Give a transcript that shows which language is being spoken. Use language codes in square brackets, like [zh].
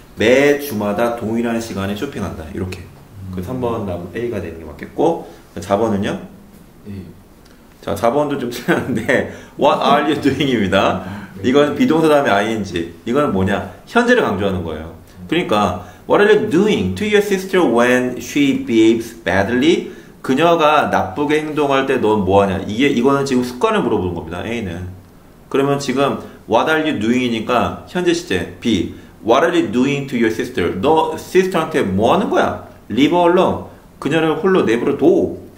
[ko] 매 주마다 동일한 시간에 쇼핑한다. 이렇게. 그 3번 답은 A가 되는 게 맞겠고, 4번은요? 네. 자, 4번도 좀 틀렸는데, [en] What are you doing? [ko] 입니다. 네. 이건 비동사 다음에 ing. 이건 뭐냐? 현재를 강조하는 거예요. [en] 그러니까, What are you doing to your sister when she behaves badly? [ko] 그녀가 나쁘게 행동할 때넌 뭐하냐? 이거는 지금 습관을 물어보는 겁니다. A는. 그러면 지금 [en] What are you doing [ko] 이니까 현재 시제. B. [en] What are you doing to your sister? [ko] 너 시스터한테 뭐하는 거야? [en] Leave her alone. [ko] 그녀를 홀로 내버려 둬.